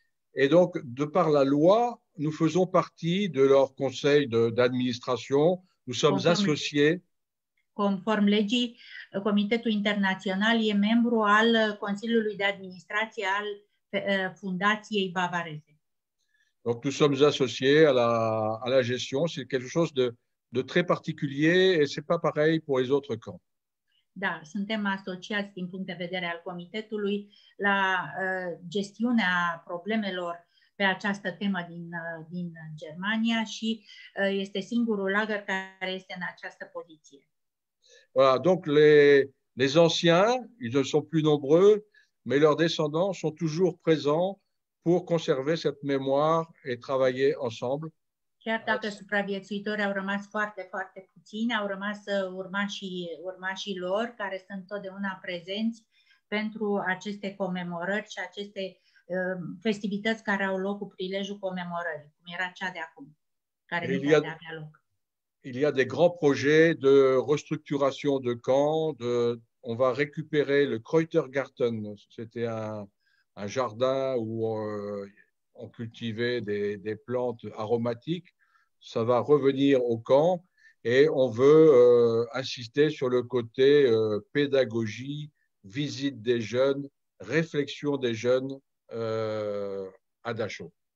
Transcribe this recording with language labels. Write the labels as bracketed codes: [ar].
[fr] Et donc, de par la loi, nous faisons partie de leur conseil d'administration. Nous sommes associés. [ro] Conform legii, Comitetul Internațional e membru al Consiliului de Administrație al Fundației Bavareze. [fr] Donc nous sommes associés à la gestion, c'est quelque chose de très particulier et c'est pas pareil pour les autres camps. [ro] Da, suntem asociați din punct de vedere al comitetului la gestiunea problemelor pe această temă din Germania și este singurul lagăr care este în această poziție. [fr] Voilà, donc les anciens, ils ne sont plus nombreux. Mais leurs descendants sont toujours présents pour conserver cette mémoire et travailler ensemble. [ro] Chiar dacă supraviețuitorii au rămas foarte, foarte puțini, au rămas urmașii lor, care sunt totdeauna prezenți pentru aceste comemorări și aceste festivități care au loc cu prilejul comemorării, cum era cea de acum, care nu va avea loc. [fr] Il y a des grands projets de restructuration de camps, de... On va récupérer le Kräutergarten. C'était un jardin où on cultivait des plantes aromatiques. Ça va revenir au camp et on veut insister sur le côté pédagogie, visite des jeunes, réflexion des jeunes à Dachau.